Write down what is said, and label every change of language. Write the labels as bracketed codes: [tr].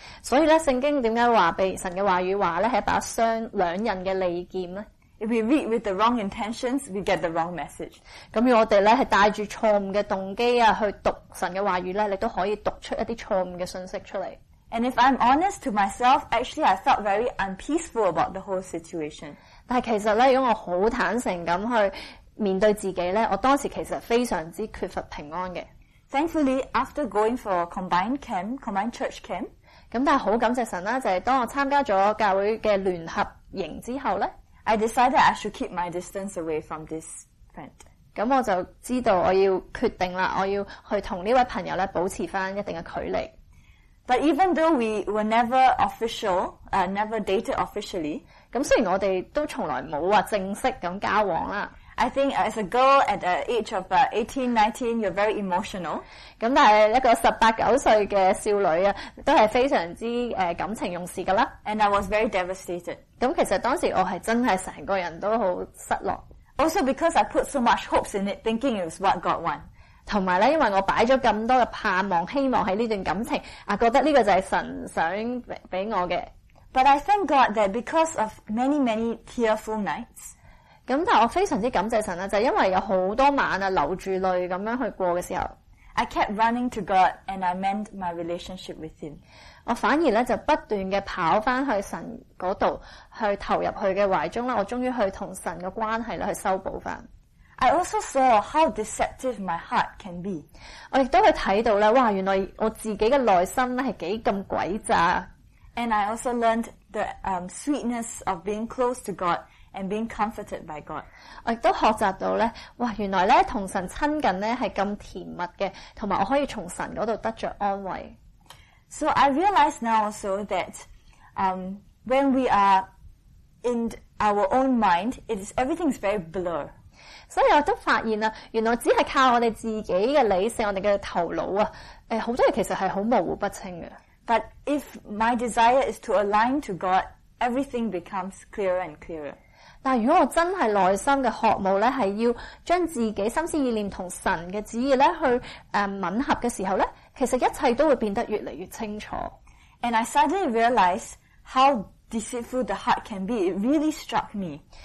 [yue] 所以咧，圣经点解话被神嘅话语话咧系一把两刃嘅利剑咧？ [en] If we read with the wrong intentions, we get the wrong message. [yue] 咁我哋咧系带住错误嘅动机啊去读神嘅话语咧，你都可以读出一啲错误嘅信息出嚟。 [en] And if I'm honest to myself, actually I felt very unpeaceful about the whole situation. [yue] 但系其实咧，如果我好坦诚咁去面对自己咧，我当时其实非常之缺乏平安嘅。 [en] Thankfully, after going for combined church camp, [yue] 咁但系好感谢神啦，就系当我参加咗教会嘅联合营之后咧。 [en] I decided I should keep my distance away from this friend. [yue] 咁我就知道我要决定啦，我要去同呢位朋友咧保持翻一定嘅距离。 [en] But even though we were never official, never dated officially, [yue] 咁虽然我哋都从来冇话正式咁交往啦。 [en] I think as a girl at the age of 18, 19, you're very emotional. [yue] 咁但系一个十八九岁嘅少女啊，都系非常之感情用事噶啦。 [en] And I was very devastated. [yue] 咁其实当时我系真系成个人都好失落。 [en] Also because I put so much hopes in it, thinking it was what God wanted. [yue] 同埋咧，因为我摆咗咁多嘅盼望、希望喺呢段感情，啊，觉得呢个就系神想俾我嘅。 [en] But I thank God that because of many, many tearful nights. [yue] 咁但我非常之感謝神啦，就是、因為有好多晚啊流住淚咁樣去過嘅時候 [en] ，I kept running to God and I mend my relationship with Him。 [yue] 我反而咧就不斷嘅跑翻去神嗰度，去投入佢嘅懷中啦。我終於去同神嘅關係咧去修補翻。 [en] I also saw how deceptive my heart can be。 [yue] 我亦都去睇到咧，哇！原來我自己嘅內心咧係幾咁詭詐。 [en] And I also learned the sweetness of being close to God。 And being comforted by God. [yue] 我亦都學習到咧，哇！原來咧同神親近咧係咁甜蜜嘅，同埋我可以從神嗰度得著安慰。 [en] So I realize now also that, when we are in our own mind, it is everything is very blur. [yue] 所以我都發現啦，原來只係靠我哋自己嘅理性、我哋嘅頭腦啊，好多嘢其實係好模糊不清嘅。 [en] But if my desire is to align to God, everything becomes clearer and clearer. [yue] 但如果我真系内心嘅渴慕咧，系要将自己心思意念同神嘅旨意咧去吻合嘅时候咧，其实一切都会变得越嚟越清楚。 [en] And I suddenly realize how deceitful the heart can be. It really struck me.